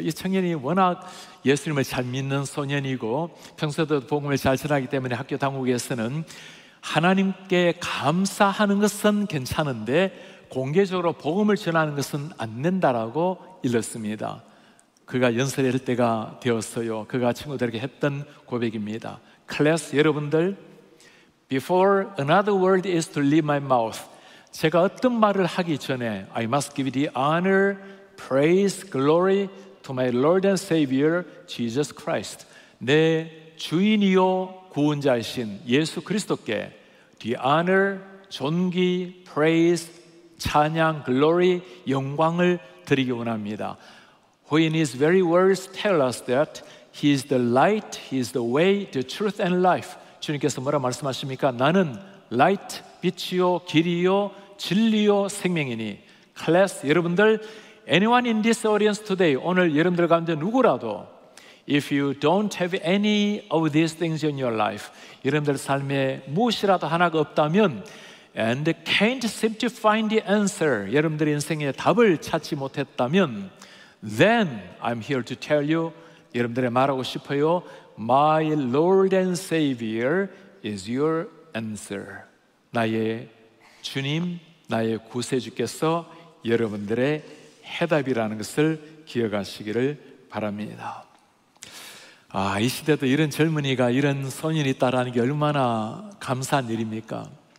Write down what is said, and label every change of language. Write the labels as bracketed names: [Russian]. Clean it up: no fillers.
[Korean] 이 청년이 워낙 예수님을 잘 믿는 소년이고 평소에도 복음을 잘 전하기 때문에 학교 당국에서는 하나님께 감사하는 것은 괜찮은데 공개적으로 복음을 전하는 것은 안 된다라고 일렀습니다. 그가 연설을 할 때가 되었어요. 그가 친구들에게 했던 고백입니다. 클래스 여러분들, [English] Before another word is to leave my mouth, [Korean] 제가 어떤 말을 하기 전에 [English] I must give the honor, praise, glory to my Lord and Savior, Jesus Christ. [Korean] 내 주인이요 구원자이신 예수 그리스도께 the honor, 존귀, praise, 찬양, glory, 영광을 드리기 원합니다. [English] Who in his very words tell us that he is the light, he is the way, the truth and life. [Korean] 주님께서 뭐라 말씀하십니까? 나는 light, 빛이요, 길이요, 진리요, 생명이니. [English] Class, [Korean] 여러분들, [English] anyone in this audience today, [Korean] 오늘 여러분들 가운데 누구라도 [English] if you don't have any of these things in your life, [Korean] 여러분들 삶에 무엇이라도 하나가 없다면 [English] and can't seem to find the answer, [Korean] 여러분들 인생의 답을 찾지 못했다면 [English] then I'm here to tell you, [Korean] 여러분들의 말하고 싶어요. [English] My Lord and Savior is your answer. [Korean] 나의 주님, 나의 구세주께서 여러분들의 해답이라는 것을 기억하시기를 바랍니다. 아, 이 시대도 이런 젊은이가 이런 소년이 있다라는 게 얼마나 감사한 일입니까?